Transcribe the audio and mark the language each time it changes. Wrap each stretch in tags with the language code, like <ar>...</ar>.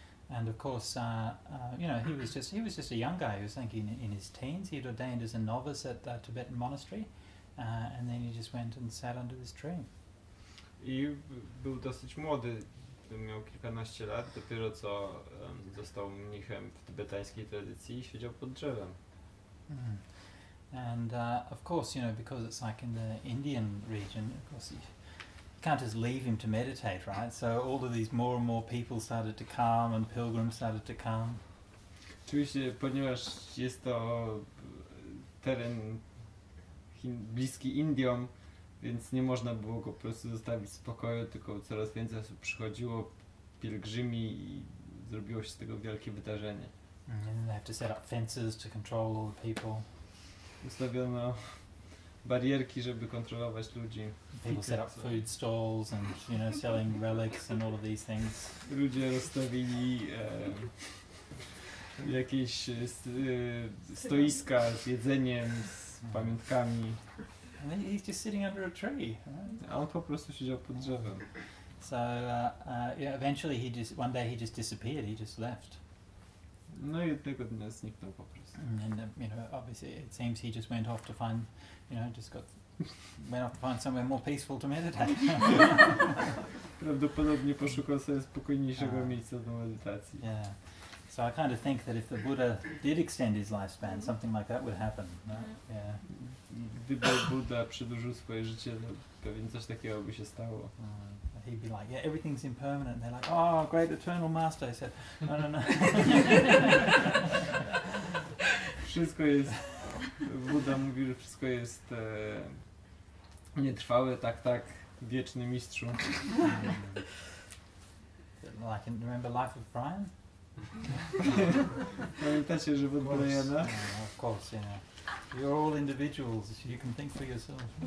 <en>And of course, you know, he was just a young guy. He was thinking in his teens. He had ordained as a novice at the Tibetan monastery, and then he just went and sat under this tree.</en> <pl>I był dosyć młody, miał kilkanaście lat, dopiero co został mnichem w tybetańskiej tradycji i siedział pod drzewem. Mm.</pl> <en>And of course, you know, because it's like in the Indian region, of course, you can't just leave him to meditate, right? So all of these more and more people started to come and pilgrims started to come.</en> <pl>Oczywiście, ponieważ jest to teren bliski Indiom, więc nie można było go po prostu zostawić w spokoju, tylko coraz więcej osób przychodziło, pielgrzymi, i zrobiło się z tego wielkie wydarzenie.</pl> <en>And they have to set up fences to control all the people.</en> <pl>Ustawiono barierki, żeby kontrolować ludzi.</pl> <en>People set up food stalls and, you know, selling relics and all of these things.</en> <pl>Ludzie rozstawili jakieś stoiska z jedzeniem, z pamiątkami.</pl> <en>And then he's just sitting under a tree, right?</en> <pl>On po prostu siedział pod drzewem.</pl> <en>So, yeah, eventually he just, one day he just disappeared, he just left.</en> <pl>No i jednego dnia zniknął po prostu.</pl> <en>And, you know, obviously it seems he just went off to find, you know, just got, went off to find somewhere more peaceful to meditate.</en> <pl>Prawdopodobnie poszukał sobie spokojniejszego miejsca do medytacji.</pl> <en>Yeah. So I kind of think that if the Buddha did extend his lifespan, something like that would happen. Right? Yeah.</en> <pl>Gdyby Buddha przedłużył swoje życie, to pewnie coś takiego by się stało.</pl> <en>He'd be like, yeah, everything's impermanent. And they're like, oh, great eternal master. I said, no, no, no.</en> <pl>Wszystko jest... Buddha mówi, że wszystko jest nietrwałe, tak, tak, wieczny mistrzu.</pl> <en>Like, remember Life of Brian?</en> <pl>Pamiętacie żywot Briana?</pl> <en>Of course, yeah. You're all individuals, so you can think for yourself.</en>